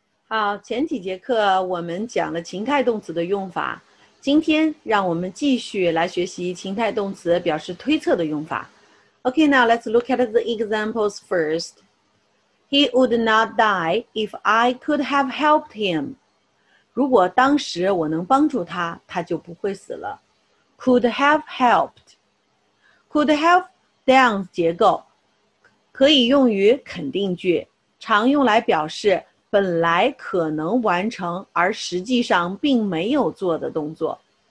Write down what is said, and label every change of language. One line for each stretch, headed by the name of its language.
Chinese: 好，前几节课我们讲了情态动词的用法，今天让我们继续来学习情态动词表示推测的用法。
English: Okay, now let's look at the examples first. He would not die if I could have helped him.
Chinese: 如果当时我能帮助他，他就不会死了。
English: Could have helped. Could have down
Chinese: 结构可以用于肯定句，常用来表示本来可能完成而实际上并没有做的动作。